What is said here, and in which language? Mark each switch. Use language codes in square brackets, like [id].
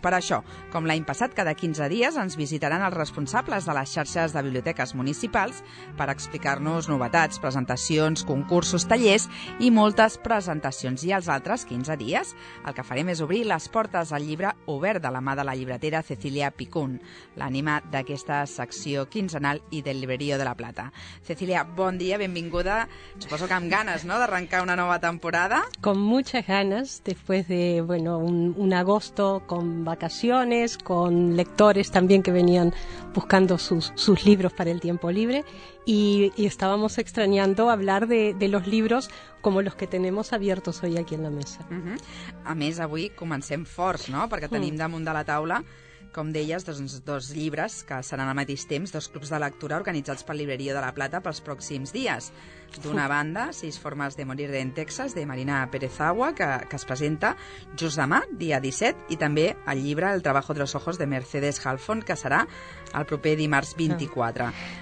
[ca] Per això, com l'any passat, cada 15 dies ens visitaran els responsables de les xarxes de biblioteques municipals per explicar-nos novetats, presentacions, concursos, tallers i moltes presentacions. I els altres 15 dies el que farem és obrir les portes al llibre obert de la mà de la llibretera Cecília Picún, l'ànima d'aquesta secció quinzenal i del Librerío de la Plata. Cecília, bon dia, benvinguda. Suposo que amb ganes, no?, d'arrencar una nova temporada. [es] Con muchas ganas, después de, bueno, un agosto con vacaciones, con lectores también que venían buscando sus libros para el tiempo libre, y estábamos extrañando hablar de los libros como los que tenemos abiertos hoy aquí en la mesa. [ca] Uh-huh. A més, avui comencem forts, no?, perquè tenim damunt de la taula, com deies, dos llibres que seran al mateix temps, dos clubs de lectura organitzats per Librerío de la Plata pels pròxims dies. D'una banda, Sis formes de morir en Texas, de Marina Pérez Agua, que es presenta just demà, dia 17, i també el llibre El trabajo de los ojos, de Mercedes Halfon, que serà el proper dimarts 24.